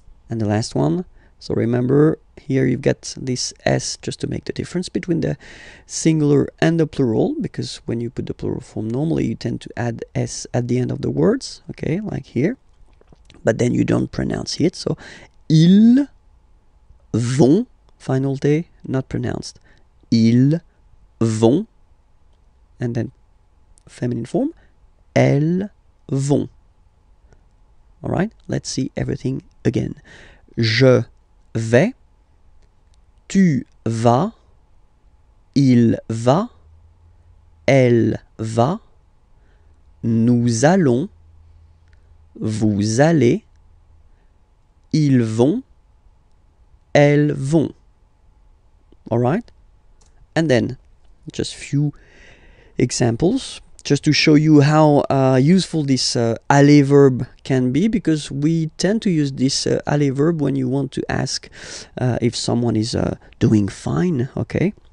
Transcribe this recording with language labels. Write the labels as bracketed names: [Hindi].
[English] And the last one, so remember, here you've got this S just to make the difference between the singular and the plural, because when you put the plural form, normally you tend to add S at the end of the words, okay, like here, but then you don't pronounce it, so [French] ils vont, [English] final T, not pronounced, ils vont, and then feminine form, [French] elles vont. [English] Alright, let's see everything again. [French] Je vais, tu vas, il va, elle va, nous allons, vous allez, ils vont, elles vont. [English] Alright, and then just few examples, just to show you how useful this aller verb can be, because we tend to use this aller verb when you want to ask if someone is doing fine, okay?